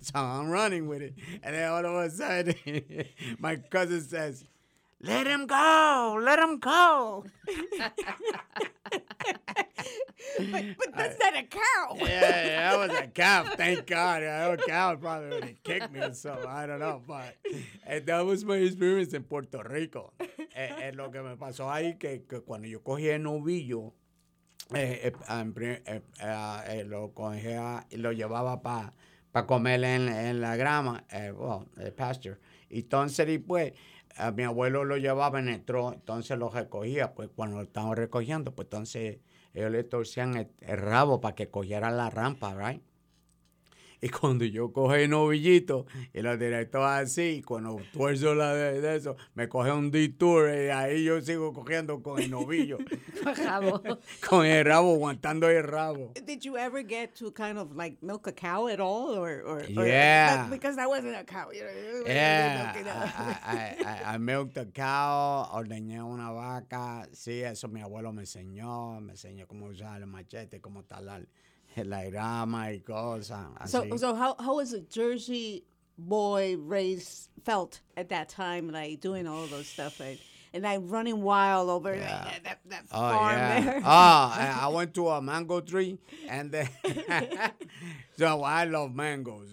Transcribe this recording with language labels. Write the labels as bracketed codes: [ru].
[en] So I'm running with it. And then all of a sudden, my cousin says, let him go, let him go. But that's not a cow. Yeah, that was a cow, thank God. A cow probably would have kicked me or something. I don't know. But that was my experience in Puerto Rico. [es] Es lo que me pasó ahí, que cuando yo cogí el novillo, lo llevaba pa comer en la grama, el pasture. Entonces, después, mi abuelo lo llevaba en el tro, entonces lo recogía. Pues cuando lo estaban recogiendo, pues entonces ellos le torcían el rabo para que cogiera la rampa, right? Y cuando yo cogí el novillito y lo directo así, y cuando tuerzo la de eso, me coge un detour y ahí yo sigo cogiendo con el novillo. Con el rabo, aguantando el rabo. [en] Did you ever get to kind of like milk a cow at all? Or yeah. Because that wasn't a cow. Yeah. I milked a cow, [es] ordeñé una vaca. Sí, eso mi abuelo me enseñó cómo usar el machete, cómo talar [en] like, oh my God. So how was a Jersey boy raised felt at that time, like doing all of those stuff? Like, and I'm running wild over that farm there. I went to a mango tree, and then, so I love mangoes.